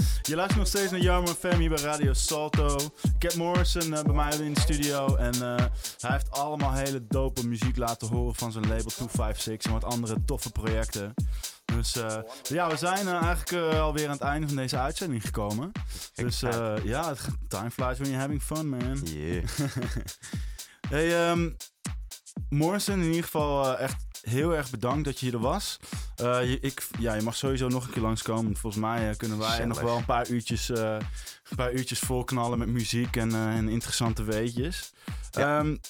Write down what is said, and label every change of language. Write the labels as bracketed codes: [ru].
[nl] Je luistert nog steeds naar Jarmo FM hier bij Radio Salto. Cat Morrison bij mij in de studio. En hij heeft allemaal hele dope muziek laten horen van zijn label 256 en wat andere toffe projecten. Dus ja, we zijn eigenlijk alweer aan het einde van deze uitzending gekomen. Dus ja, [en] time flies when you're having fun, man. Yeah. [nl] Hey, Morrison, in ieder geval echt heel erg bedankt dat je hier was. Je mag sowieso nog een keer langskomen. Volgens mij kunnen wij nog wel een paar uurtjes, volknallen met muziek en interessante weetjes. Ja.